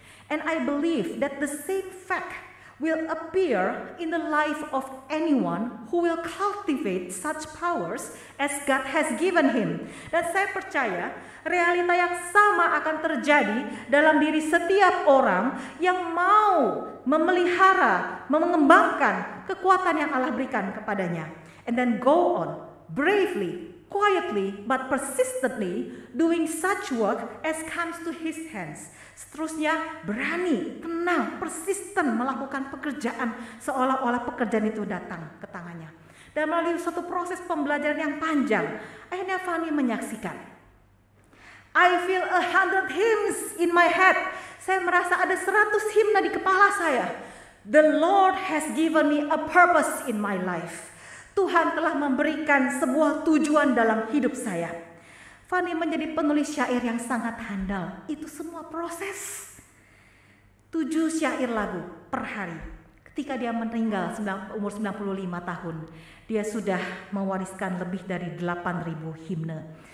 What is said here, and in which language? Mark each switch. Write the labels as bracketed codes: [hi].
[en] "And I believe that the same fact will appear in the life of anyone who will cultivate such powers as God has given him." [id] Dan saya percaya realita yang sama akan terjadi dalam diri setiap orang yang mau memelihara, mengembangkan kekuatan yang Allah berikan kepadanya. [en] "And then go on, bravely, quietly but persistently doing such work as comes to his hands." [id] Seterusnya, berani, tenang, persisten melakukan pekerjaan seolah-olah pekerjaan itu datang ke tangannya. Dan melalui suatu proses pembelajaran yang panjang, akhirnya Fanny menyaksikan, [en] "I feel 100 hymns in my head." [id] Saya merasa ada 100 himna di kepala saya. [en] "The Lord has given me a purpose in my life." [id] Tuhan telah memberikan sebuah tujuan dalam hidup saya. Fanny menjadi penulis syair yang sangat handal. Itu semua proses. 7 syair lagu per hari. Ketika dia meninggal umur 95 tahun, dia sudah mewariskan lebih dari 8.000 himne.